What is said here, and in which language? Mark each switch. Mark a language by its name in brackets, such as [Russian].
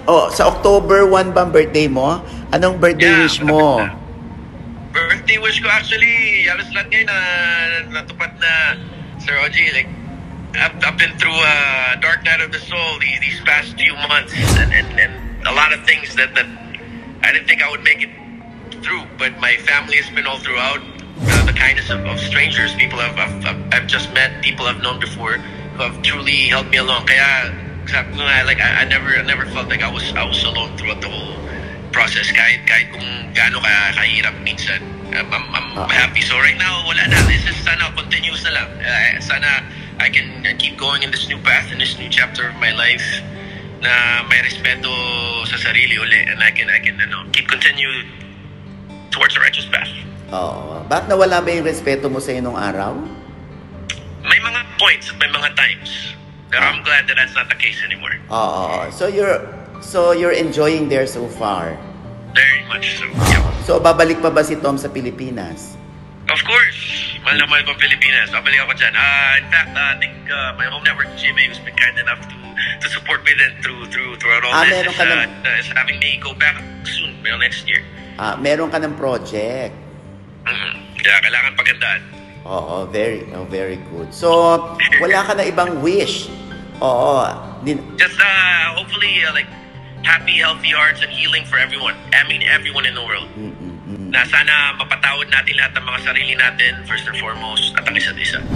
[Filipino] Oh, sa October 1 ba ang birthday mo? Anong birthday wish mo? [English] Birthday wish ko, actually, [Filipino] yalos lang ngayon na natupad na, [English] Sir OG, like, I've been through a dark night of the soul these past few months and a lot of things that I didn't think I would make it through, but my family has been all throughout. The kindness of strangers, people I've just met, people I've known before, who have truly helped me along. Kaya... I never felt like I was alone throughout the whole process. [Filipino] Kahit kung gaano kahirap minsan, [English] I'm happy. So right now, [Filipino] wala na. [English] This is sana continuous na lang. Sana I can keep going in this new path, in this new chapter of my life, [Filipino] na may respeto sa sarili uli, [English] and I can keep continue towards the righteous path. [Filipino] Oh, bakit nawala ba yung respeto mo sa inong araw? May mga points at may mga times. [English] I'm glad that that's not the case anymore. Oh, so you're enjoying there so far? Very much so, yeah. [Filipino] So, babalik pa ba si Tom sa Pilipinas? [English] Of course! [Filipino] Mahal na mahal ko Pilipinas. Babalik ako dyan. [English] In fact, I think my home network, GMA, has been kind enough to support me then throughout all this. It's having me go back soon, well, next year. [Filipino] Meron ka ng project. Yeah, kailangan pagandaan. Oo, [English] very good. [Filipino] So, wala ka na ibang wish? Oo. [English] Just hopefully, happy, healthy hearts and healing for everyone. I mean, everyone in the world. [Filipino] Na sana mapatawad natin lahat ng mga sarili natin, [English] first and foremost, [Filipino] at ang isa't isa.